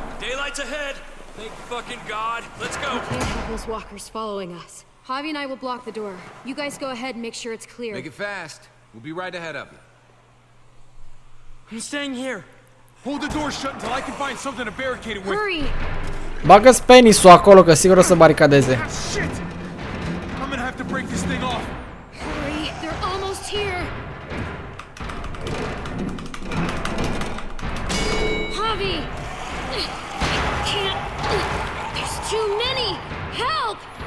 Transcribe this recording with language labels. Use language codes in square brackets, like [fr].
[en] Daylight's ahead. Thank fucking God. Let's go. We can't have those walkers following us. Javi and I will block the door. You guys go ahead and make sure it's clear. Make it fast. We'll be right ahead of you. I'm staying here. Hold the door shut until I can find something to barricade it with. Hurry. [ro] Bagă penisul acolo, că sigur o să baricadeze. [en] Shit. I'm gonna have to break this thing off. Hurry, they're almost here. Javi! I can't. There's too many. Help!